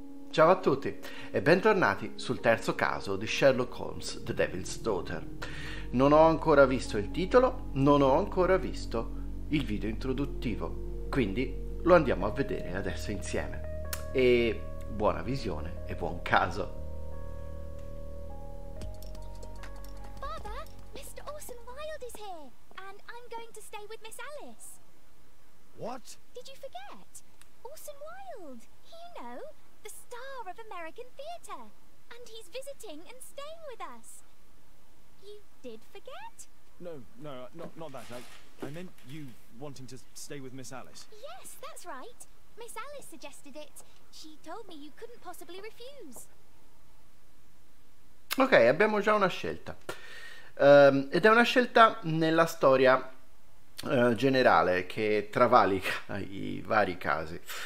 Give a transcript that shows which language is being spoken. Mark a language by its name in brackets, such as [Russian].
[Italian] Ciao a tutti e bentornati sul terzo caso di Sherlock Holmes, The Devil's Daughter. Non ho ancora visto il titolo, non ho ancora visto il video introduttivo, quindi lo andiamo a vedere adesso insieme. E buona visione e buon caso! [English] Father, Mr. Orson Wilde is here and I'm going to stay with Miss Alice. What? Did you forget? Orson Wilde, you know, the star of American theatre. And he's visiting and staying with us. You did forget? No, not that. I meant you wanting to stay with Miss Alice. Yes, that's right. Miss Alice suggested it. She told me you couldn't possibly refuse. [Italian] Ok, abbiamo già una scelta. Ed è una scelta nella storia generale che travalica i vari casi.